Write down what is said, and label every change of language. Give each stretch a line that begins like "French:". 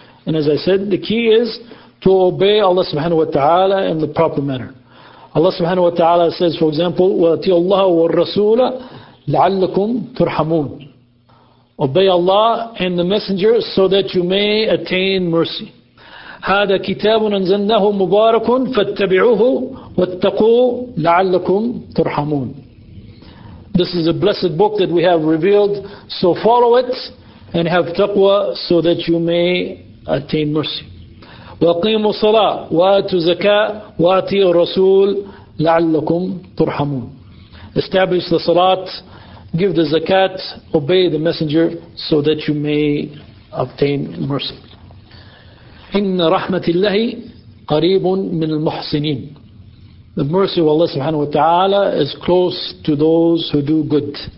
English: And as I said, the key is to obey Allah subhanahu wa ta'ala in the proper manner. Allah subhanahu wa ta'ala says, for example,
Arabic: وَأَطِيعُوا اللَّهَ وَالرَّسُولَ لَعَلَّكُمْ تُرْحَمُونَ.
English: Obey Allah and the Messenger so that you may attain mercy.
Arabic: هذا كتاب أنزلناه مبارك فاتبعوه واتقوا لعلكم ترحمون.
English: This is a blessed book that we have revealed, so follow it and have taqwa so that you may attain mercy.
Arabic: وقيموا الصلاة وآتوا الزكاة وآتوا الرسول لعلكم ترحمون.
English: Establish the salat, give the zakat, obey the messenger so that you may obtain mercy.
Arabic: إِنَّ رَحْمَةِ اللَّهِ قَرِيبٌ مِنَ الْمُحْسِنِينَ.
English: The mercy of Allah subhanahu wa ta'ala is close to those who do good.